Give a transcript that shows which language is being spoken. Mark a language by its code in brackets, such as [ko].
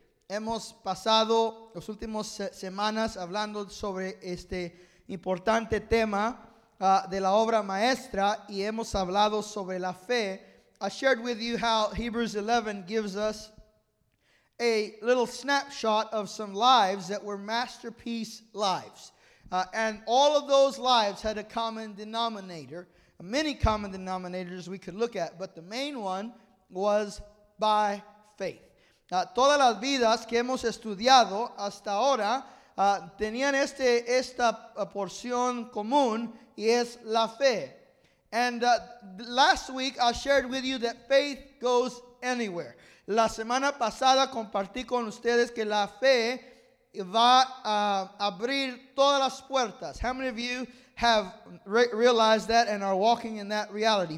[es] Hemos pasado las últimas semanas hablando sobre este importante tema de la obra maestra y hemos hablado sobre la fe. [en] I shared with you how Hebrews 11 gives us a little snapshot of some lives that were masterpiece lives. And all of those lives had a common denominator, many common denominators we could look at, but the main one was by faith. [es] Todas las vidas que hemos estudiado hasta ahora tenían esta porción común, y es la fe. [en] And last week I shared with you that faith goes anywhere. [es] La semana pasada compartí con ustedes que la fe va a abrir todas las puertas. [en] How many of you have realized that and are walking in that reality.